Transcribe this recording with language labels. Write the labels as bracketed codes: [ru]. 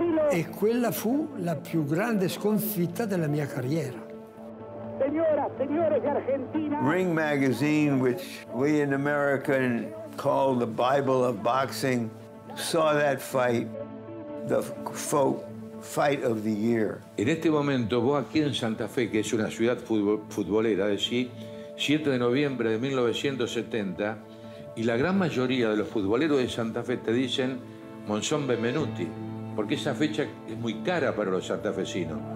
[it] E quella fu la più grande sconfitta della mia carriera. Signora, signore di Argentina. [en] Ring Magazine, which we in America call the Bible of boxing, saw that fight, the fight of the year. [es] In este momento, vos aquí en Santa Fe, que es una ciudad futbolera, decir, 7 de noviembre de 1970, y la gran mayoría de los futboleros de Santa Fe te dicen Monzón Benvenuti, porque esa fecha es muy cara para los santafesinos.